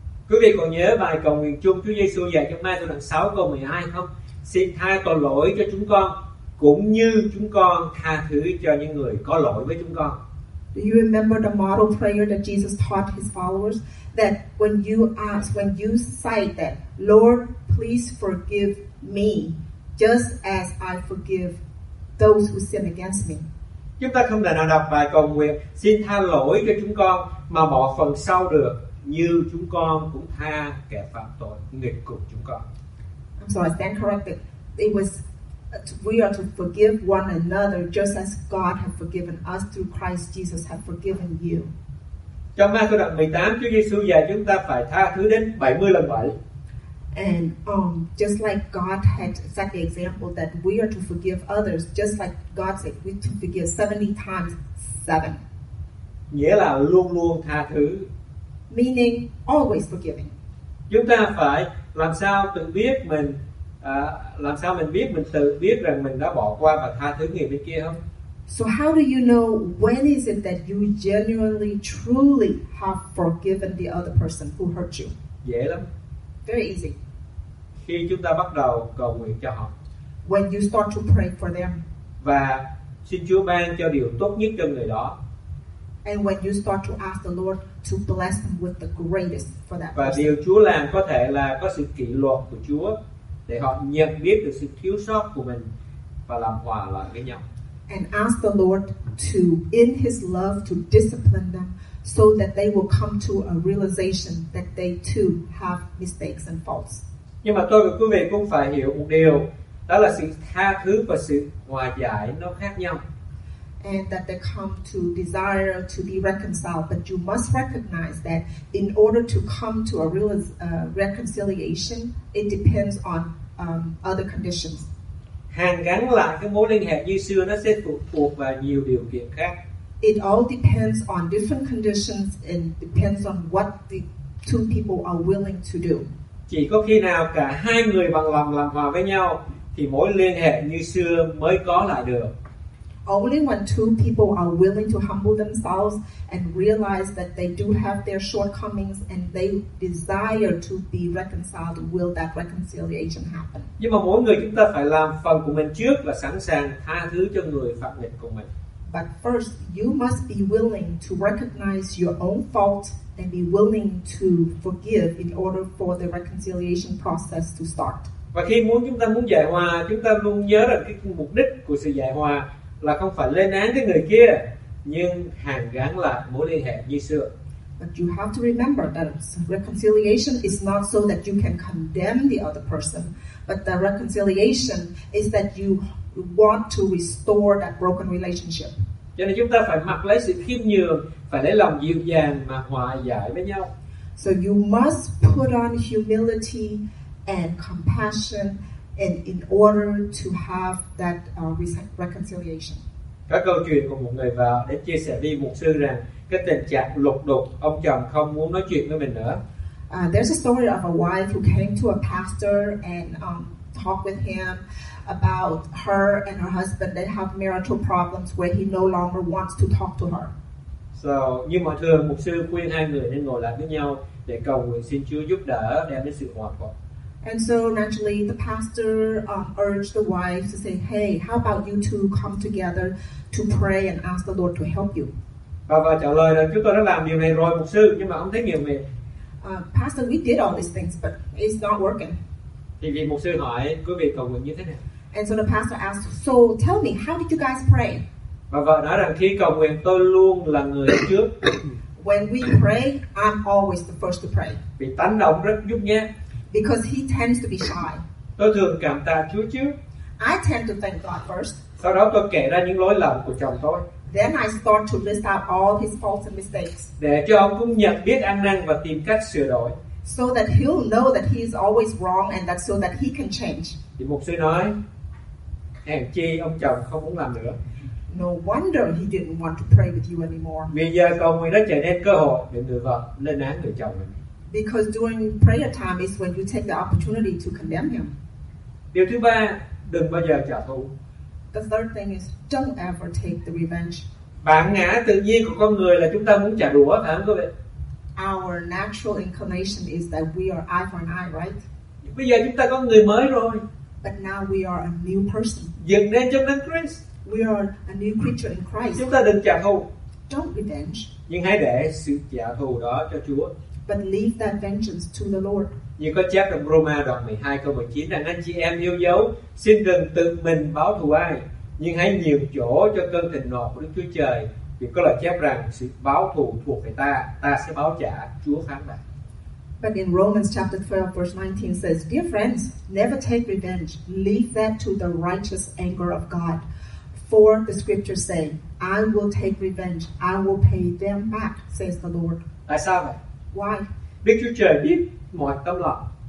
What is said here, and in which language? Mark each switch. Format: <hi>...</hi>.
<vi>Quý vị còn nhớ bài cầu nguyện chung Chúa Giêsu dạy trong Ma-thi-ơ đoạn 6 câu 12 không? Xin tha tội lỗi cho chúng con, cũng như chúng con tha thứ cho những người có lỗi với chúng con.</vi> <en>Do you remember the model prayer that Jesus taught his followers? That when you ask, when you cite that, Lord, please forgive me, just as I forgive those who sin against me.</en> <vi>Chúng ta không thể nào đọc bài cầu nguyện xin tha lỗi cho chúng con mà bỏ phần sau được, như chúng con cũng tha kẻ phạm tội nghịch cùng chúng con.</vi> <en>I'm sorry, stand corrected. It was we are to forgive one another just as God has forgiven us through Christ Jesus has forgiven you.</en> <vi>Trong Ma-thi-ơ đoạn 18, Chúa Giêsu dạy chúng ta phải tha thứ đến 70 lần 7.</vi> <en>And just like God had set the example that we are to forgive others, just like God said, we to forgive 70 times 7.</en> <vi>Nghĩa là luôn luôn tha thứ.</vi> <en>Meaning always forgiving.</en> <vi>Chúng ta phải làm sao tự biết mình, làm sao mình biết mình tự biết rằng mình đã bỏ qua và tha thứ người bên kia không?</vi> <en>So how do you know when is it that you genuinely, truly have forgiven the other person who hurt you?</en> <vi>Dễ lắm.</vi> <en>Very easy.</en> <vi>Khi chúng ta bắt đầu cầu nguyện cho họ.</vi> <en>when you start to pray for them.</en> <vi>Và xin Chúa ban cho điều tốt nhất cho người đó.</vi> <en>And when you start to ask the Lord to bless them with the greatest for that.</en> <vi>Và điều Chúa làm có thể là có sự kỷ luật của Chúa để họ nhận biết được sự thiếu sót của mình và làm hòa lại với nhau.</vi> <en>And ask the Lord to, in His love, to discipline them so that they will come to a realization that they too have mistakes and faults.</en> <vi>Nhưng mà tôi và quý vị cũng phải hiểu một điều, đó là sự tha thứ và sự hòa giải nó khác nhau.</vi> <en>And that they come to desire to be reconciled, but you must recognize that in order to come to a real reconciliation, it depends on other conditions.</en> <vi>Hàn gắn lại cái mối liên hệ như xưa nó sẽ thuộc vào nhiều điều kiện khác.</vi> <en>It all depends on different conditions and depends on what the two people are willing to do.</en> <vi>Chỉ có khi nào cả hai người bằng lòng làm hòa với nhau thì mối liên hệ như xưa mới có lại được.</vi> <en>Only when two people are willing to humble themselves and realize that they do have their shortcomings and they desire to be reconciled will that reconciliation happen.</en> <vi>Nhưng mà mỗi người chúng ta phải làm phần của mình trước và sẵn sàng tha thứ cho người phạm nghịch của mình.</vi> <en>But first, you must be willing to recognize your own fault and be willing to forgive in order for the reconciliation process to start.</en> <vi>Và khi chúng ta muốn giải hòa, chúng ta luôn nhớ rằng cái mục đích của sự giải hòa là không phải lên án cái người kia, nhưng hàn gắn lại mối liên hệ như xưa.</vi> <en>But you have to remember that reconciliation is not so that you can condemn the other person, but the reconciliation is that you want to restore that broken relationship.</en> <vi>Cho nên chúng ta phải mặc lấy sự khiêm nhường, phải lấy lòng dịu dàng mà hòa giải với nhau.</vi> <en>So you must put on humility and compassion and in order to have that reconciliation.</en> <vi>Các câu chuyện của một người vợ để chia sẻ với mục sư rằng cái tình trạng lục đục, ông chồng không muốn nói chuyện với mình nữa.</vi> <en>There's a story of a wife who came to a pastor and talked with him about her and her husband that have marital problems where he no longer wants to talk to her.</en> <vi>So, như mọi thường, mục sư khuyên hai người nên ngồi lại với nhau để cầu nguyện xin Chúa giúp đỡ đem đến sự hòa hợp.</vi> <en>And so naturally, the pastor urged the wife to say, "Hey, how about you two come together to pray and ask the Lord to help you?"</en> <vi>Bà trả lời là chúng tôi đã làm điều này rồi, mục sư, nhưng mà ông thấy nhiều mệt.</vi> <en>Pastor, we did all these things, but it's not working.</en> <vi>Thì vị mục sư hỏi, quý vị cầu nguyện như thế nào?</vi> <en>And so the pastor asked, "So tell me, how did you guys pray?"</en> <vi>Bà vợ nói rằng khi cầu nguyện tôi luôn là người trước.</vi> <en>When we pray, I'm always the first to pray.</en> <vi>Vì tánh ông rất nhút nhát.</vi> <en>Because he tends to be shy.</en> <vi>Tôi thường cảm tạ Chúa trước.</vi> <en>I tend to thank God first.</en> <vi>Sau đó tôi kể ra những lỗi lầm của chồng tôi.</vi> <en>Then I start to list out all his faults and mistakes.</en> <vi>Để cho ông cũng nhận biết ăn năn và tìm cách sửa đổi.</vi> <en>So that he'll know that he is always wrong and that so that he can change.</en> <vi>Thì mục sư nói, hèn chi ông chồng không muốn làm nữa.</vi> <en>No wonder he didn't want to pray with you anymore.</en> <vi>Vì giờ cầu nguyện đã trở nên cơ hội để người vợ lên án người chồng mình.</vi> <en>Because during prayer time is when you take the opportunity to condemn him.</en> <vi>Điều thứ ba, đừng bao giờ trả thù.</vi> <en>The third thing is don't ever take the revenge.</en> <vi>Bản ngã tự nhiên của con người là chúng ta muốn trả đũa, phải không quý vị?</vi> <en>Our natural inclination is that we are eye for an eye, right?</en> <vi>Bây giờ chúng ta có người mới rồi.</vi> <en>But now we are a new person.</en> <vi>Dựng nên trong Đấng Christ.</vi> <en>We are a new creature in Christ.</en> <vi>Chúng ta đừng trả thù.</vi> <en>Don't revenge.</en> <vi>Nhưng hãy để sự trả thù đó cho Chúa.</vi> <en>But leave that vengeance to the Lord.</en> <vi>Như có chép trong Roma đoạn 12 câu 19 rằng anh chị em yêu dấu, xin đừng tự mình báo thù ai, nhưng hãy nhường chỗ cho cơn thịnh nộ của Đức Chúa Trời. Vì có lời chép rằng sự báo thù thuộc về ta, ta sẽ báo trả, Chúa phán lại.</vi> <en>But in Romans chapter 12 verse 19 says, dear friends, never take revenge. Leave that to the righteous anger of God. For the scriptures say, I will take revenge. I will pay them back, says the Lord.</en> <vi>Tại sao vậy?</vi> <en>Why?</en> <vi>Đức Chúa Trời biết mọi tâm lòng.</vi>